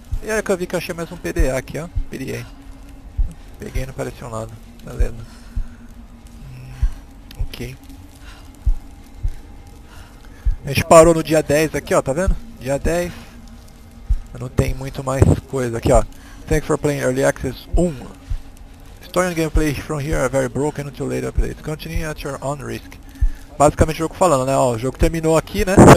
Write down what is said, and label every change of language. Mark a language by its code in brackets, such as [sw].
[pt] E aí que eu vi que eu achei mais um PDA aqui, ó. Peguei. Peguei, não apareceu nada. Beleza. Ok. A gente parou no dia 10 aqui, ó, tá vendo? Dia 10. Não tem muito mais coisa aqui, ó. [en] Thanks for playing Early Access 1. Story and gameplay from here are very broken until later updates. Continue at your own risk. [pt] Basicamente o jogo falando, né? Ó, o jogo terminou aqui, né?